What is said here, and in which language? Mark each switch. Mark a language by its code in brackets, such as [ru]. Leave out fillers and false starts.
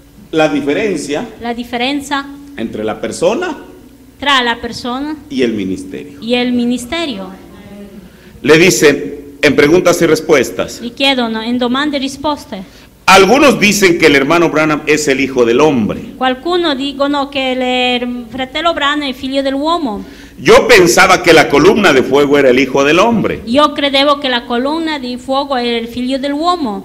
[es] La diferencia. Entre la persona. [it] Tra la persona. [es] Y el ministerio. Le dice en preguntas y respuestas. [it] Le chiedono en domande e risposte. [es] Algunos dicen que el hermano Branham es el hijo del hombre. [it] Qualcuno dicono che il fratello Branham è figlio dell'uomo. [es] Yo pensaba que la columna de fuego era el hijo del hombre. [it] Io credevo che la colonna di fuoco era il figlio dell'uomo.